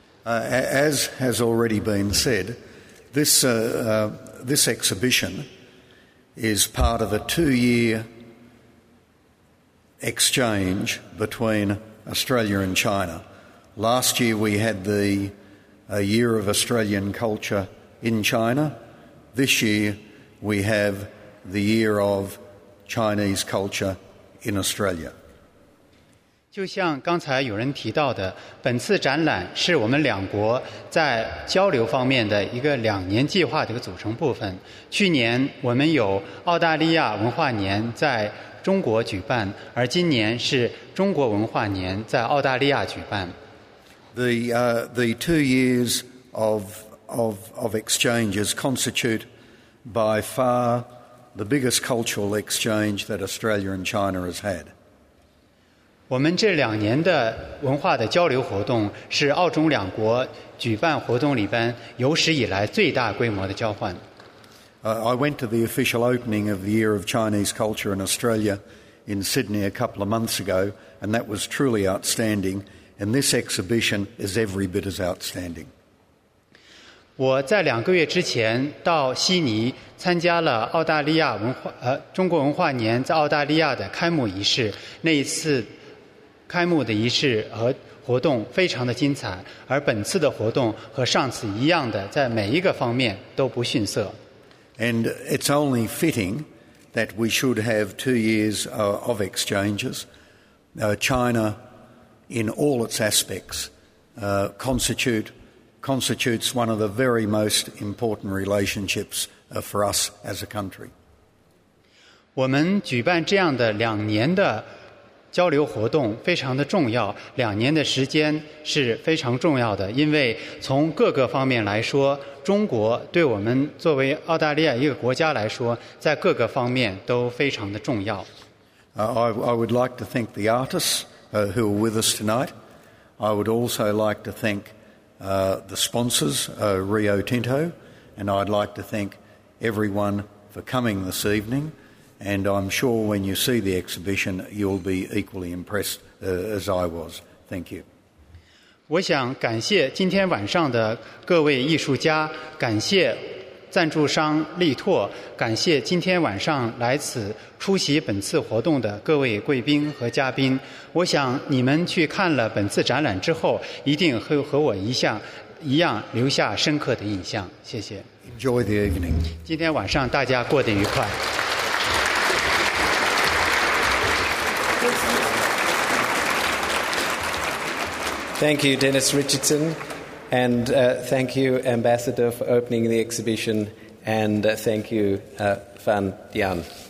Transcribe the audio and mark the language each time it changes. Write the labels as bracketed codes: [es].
[en] As has already been said, this exhibition is part of a two-year exchange between Australia and China. Last year we had the Year of Australian Culture in China. This year we have the Year of Chinese Culture in Australia. [zh] 就像刚才有人提到的，本次展览是我们两国在交流方面的一个两年计划的一个组成部分。去年我们有澳大利亚文化年在中国举办，而今年是中国文化年在澳大利亚举办。 [en] The two years of exchanges constitute by far the biggest cultural exchange that Australia and China has had. [zh] 我们这两年的文化的交流活动是澳中两国举办活动里边有史以来最大规模的交换。 [en] I went to the official opening of the Year of Chinese Culture in Australia in Sydney a couple of months ago, and that was truly outstanding, and this exhibition is every bit as outstanding. [zh] 我在两个月之前到悉尼参加了澳大利亚文化中国文化年在澳大利亚的开幕仪式，那一次开幕的仪式和活动非常的精彩，而本次的活动和上次一样的，在每一个方面都不逊色。 [en] And it's only fitting that we should have 2 years of exchanges. China, in all its aspects, constitutes one of the very most important relationships for us as a country. [zh] 我们举办这样的两年的交流活动非常的重要，两年的时间是非常重要的，因为从各个方面来说，中国对我们作为澳大利亚一个国家来说，在各个方面都非常的重要。 [en] I would like to thank the artists who are with us tonight. I would also like to thank the sponsors, Rio Tinto, and I'd like to thank everyone for coming this evening. And I'm sure when you see the exhibition, you'll be equally impressed as I was. Thank you. [zh] 我想感谢今天晚上的各位艺术家，感谢赞助商力拓，感谢今天晚上来此出席本次活动的各位贵宾和嘉宾。我想你们去看了本次展览之后，一定会和我一样留下深刻的印象。谢谢。 [en] Enjoy the evening. [zh] 今天晚上大家过得愉快。 [en] Thank you, Dennis Richardson, and thank you, Ambassador, for opening the exhibition, and thank you, Fan Dian.